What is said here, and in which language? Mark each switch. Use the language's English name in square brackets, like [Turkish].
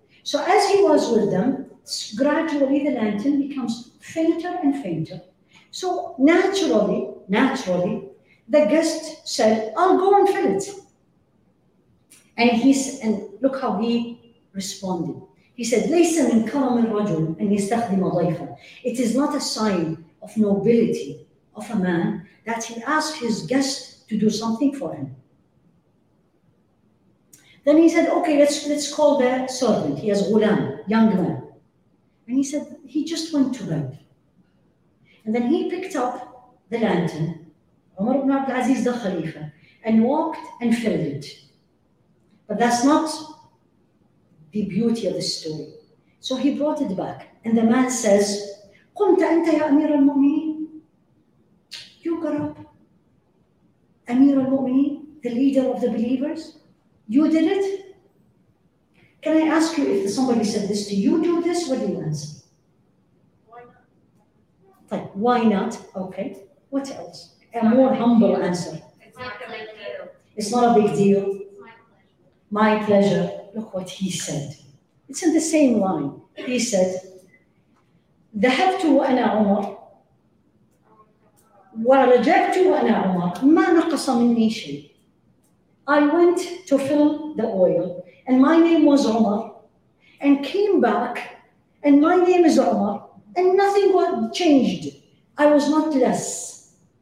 [English] So as he was with them, gradually the lantern becomes fainter and fainter. So naturally, the guest said, I'll go and fill it. And look how he responded. He said, [Arabic] ليس من كرم الرجل أن يستخدم ضيفا. [English] It is not a sign of nobility of a man that he asked his guest to do something for him. Then he said, okay, let's call the servant. He has ghulam, young man. And he said, he just went to bed. And then he picked up the lantern, Umar ibn Abdul Aziz the Khalifa, and walked and filled it. But that's not the beauty of the story. So he brought it back. And the man says, [Arabic] قمت أنت يا أمير المؤمنين. [English] You got up. Amir al-Mu'mineen, the leader of the believers, you did it? Can I ask you, if somebody said this to you, do this, what do you answer? Why not? Like, why not? Okay. What else? A more humble answer. It's not a big deal. It's my pleasure. Look what he said. It's in the same line. He said, [Arabic] ذهبتُ وأنا عمر ورجعتُ وأنا عمر ما نقص مني شيء. [English] I went to fill the oil, and my name was Umar, and came back, and my name is Umar, and nothing was changed. I was not less.